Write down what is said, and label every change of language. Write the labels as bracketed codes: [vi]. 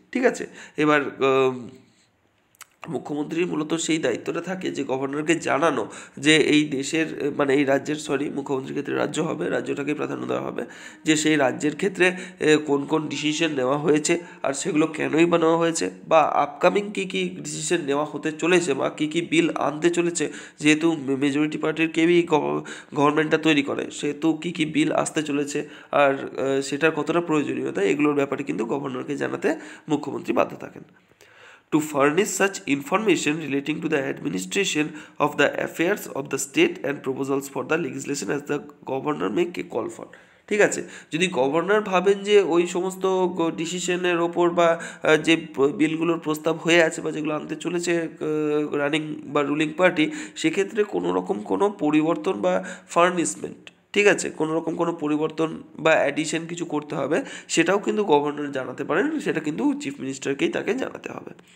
[bn] ঠিক আছে, এবার মুখ্যমন্ত্রীর মূলত সেই দায়িত্বটা থাকে যে গভর্নরকে জানানো যে এই দেশের মানে এই রাজ্যের, সরি, মুখ্যমন্ত্রীর ক্ষেত্রে রাজ্য হবে, রাজ্যটাকে প্রাধান্য দেওয়া হবে, যে সেই রাজ্যের ক্ষেত্রে কোন কোন ডিসিশন নেওয়া হয়েছে আর সেগুলো কেনই বা নেওয়া হয়েছে, বা আপকামিং কী কী ডিসিশন নেওয়া হতে চলেছে বা কী কী বিল আনতে চলেছে, যেহেতু মেজরিটি পার্টির কেউই গভর্নমেন্টটা তৈরি করে, সেহেতু কী কী বিল আসতে চলেছে আর সেটার কতটা প্রয়োজনীয়তা, এগুলোর ব্যাপারে কিন্তু গভর্নরকে জানাতে মুখ্যমন্ত্রী বাধ্য থাকেন। [en] to furnish such information relating to the administration of the affairs of the state and proposals for the legislation as the governor may call for. [bn] ঠিক আছে, যদি গভর্নর ভাবেন যে ওই সমস্ত ডিসিশনের ওপর বা যে বিলগুলোর প্রস্তাব হয়ে আছে বা যেগুলো আনতে চলেছে রানিং বা রুলিং পার্টি, সেক্ষেত্রে কোনো রকম কোনো পরিবর্তন বা ফার্নিশমেন্ট, ঠিক আছে, কোনো রকম কোনো পরিবর্তন বা অ্যাডিশন কিছু করতে হবে, সেটাও কিন্তু গভর্নর জানাতে পারেন, সেটা কিন্তু চিফ মিনিস্টারকেই তাকে জানাতে হবে।